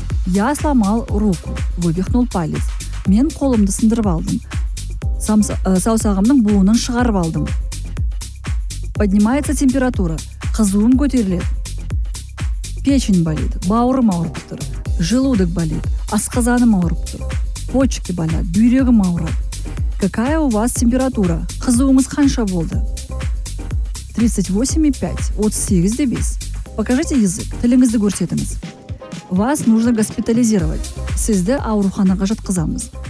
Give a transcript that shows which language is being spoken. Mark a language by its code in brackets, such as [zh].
[ru] Я сломал руку, вывихнул палец. [kk] Мен қолымды сындырып алдым. Саусағымның буынын шығарып алдым. [ru] Поднимается температура. [kk] Қызуым көтеріледі. [ru] Печень болит. [kk] Бауырым ауырып тұр. [ru] Желудок болит. [kk] Асқазаным ауырып тұр. [ru] Почки болят. [kk] Бүйрегім ауырады. [ru] Какая у вас температура? [kk] Қызуыңыз қанша болды? 38,5. [ru] 38,5. Покажите язык. [kk] Тіліңізді көрсетіңіз. [ru] Вас нужно госпитализировать. [kk] Сізді ауруханаға жатқызамыз.